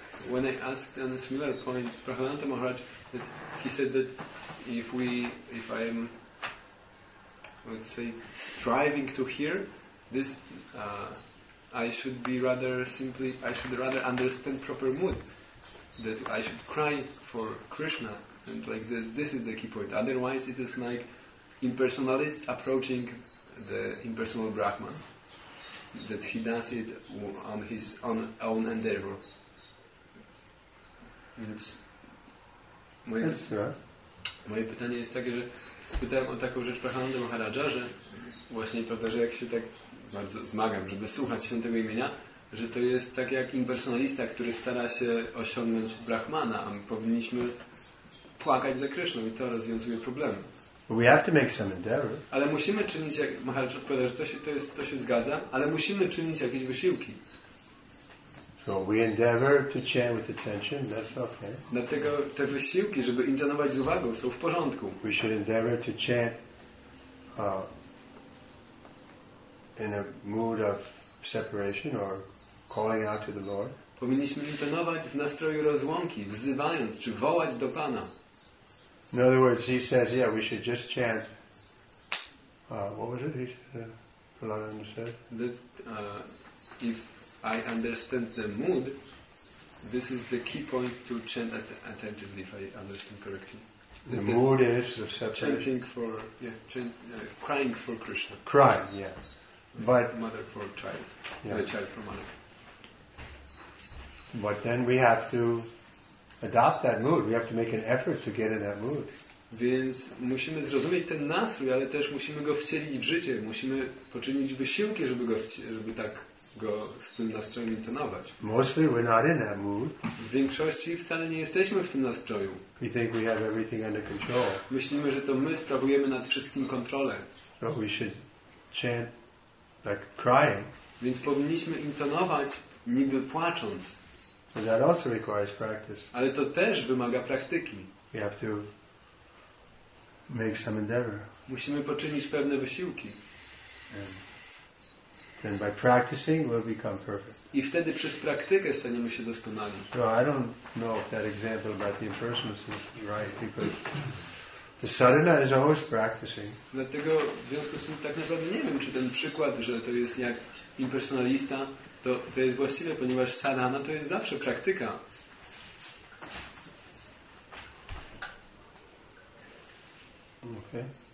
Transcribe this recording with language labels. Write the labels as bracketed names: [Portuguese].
[English] When I asked on a similar point, Prahlada Maharaj, that he said that if I'm, let's say, striving to hear, this, I should be rather simply, I should rather understand proper mood, that I should cry for Krishna, and like this is the key point. Otherwise, it is like impersonalist approaching the impersonal Brahman, that he does it on his own endeavor. [Polish] Więc moje pytanie jest takie, że spytałem o taką rzecz Prahlada Maharaja, że właśnie prawda, że jak się tak bardzo zmagam, żeby słuchać świętego imienia, że to jest tak jak impersonalista, który stara się osiągnąć Brahmana, a my powinniśmy płakać za Krishną i to rozwiązuje problem. [English] We have to make some endeavor. [Polish] Ale musimy czynić, jak Maharaj odpowiada, że to się zgadza, ale musimy czynić jakieś wysiłki. [English] So we endeavor to chant with attention, that's okay. [Polish] Dlatego te wysiłki, żeby intonować z uwagą, są w porządku. [English] We should endeavor to chant in a mood of separation or calling out to the Lord. [Polish] Powinniśmy intonować w nastroju rozłąki, wzywając czy wołać do Pana. [English] In other words, he says, yeah, we should just chant. What was it he said? That if I understand the mood, this is the key point to chant attentively, if I understand correctly. The mood is of separation. Chanting for, crying for Krishna. Crying, yeah. But mother for child. Yeah. The child for mother. But then we have to adopt that mood. We have to make an effort to get in that mood. [Polish] Więc musimy zrozumieć ten nastrój, ale też musimy go wcielić w życie. Musimy poczynić wysiłki, żeby tak go z tym nastrojem intonować. [English] Mostly we're not in that mood. [Polish] W większości wcale nie jesteśmy w tym nastroju. [English] We think we have everything under control. [Polish] Myślimy, że to my sprawujemy nad wszystkim kontrolę. [English] So we should chant like crying. [Polish] Więc powinniśmy intonować niby płacząc. [English] And that also requires practice. [Polish] Ale to też wymaga praktyki. [English] We have to make some endeavor. [Polish] Musimy poczynić pewne wysiłki. [English] And then by practicing we'll become perfect. [Polish] I wtedy przez praktykę staniemy się doskonali. [English] So I don't know if that example about the impersonalist is right, because The sadhana is always practicing. [Polish] Dlatego w związku z tym tak naprawdę nie wiem, czy ten przykład, że to jest jak impersonalista, to jest właściwe, ponieważ sadhana to jest zawsze praktyka. [English] Okay.